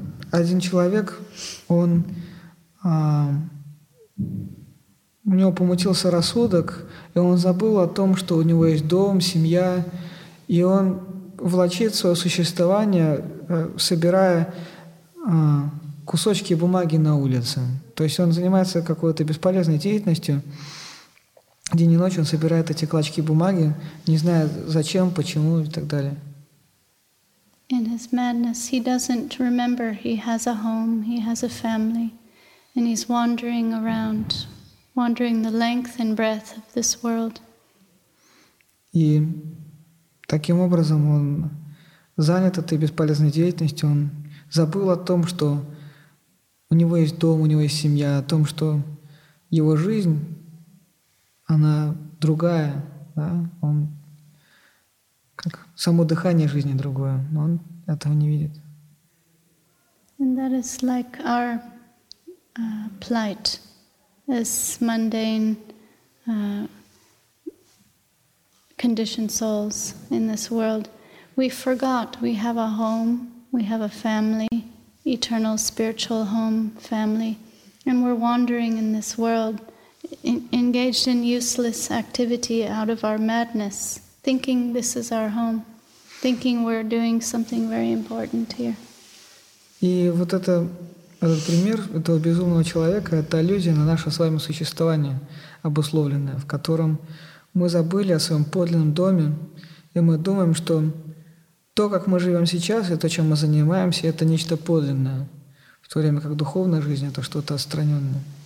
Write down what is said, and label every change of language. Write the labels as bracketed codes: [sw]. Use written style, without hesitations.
[ru] Один человек, он у него помутился рассудок, и он забыл о том, что у него есть дом, семья, и он влачит свое существование, собирая кусочки бумаги на улице. То есть он занимается какой-то бесполезной деятельностью, день и ночь он собирает эти клочки бумаги, не зная зачем, почему и так далее. [en] In his madness, he doesn't remember he has a home, he has a family, and he's wandering around, wandering the length and breadth of this world. [ru] И таким образом он занят этой бесполезной деятельностью, он забыл о том, что у него есть дом, у него есть семья, о том, что его жизнь, она другая, да? Он как само дыхание жизни другое, но он этого не видит. [en] And that is like our plight as mundane conditioned souls in this world. We forgot we have a home, we have a family, eternal spiritual home, family, and we're wandering in this world, engaged in useless activity out of our madness, thinking this is our home, thinking we're doing something very important here. [ru] И вот этот пример этого безумного человека — это аллюзия на наше с вами существование обусловленное, в котором мы забыли о своем подлинном доме, и мы думаем, что то, как мы живем сейчас, и то, чем мы занимаемся, это нечто подлинное, в то время как духовная жизнь — это что-то отстраненное.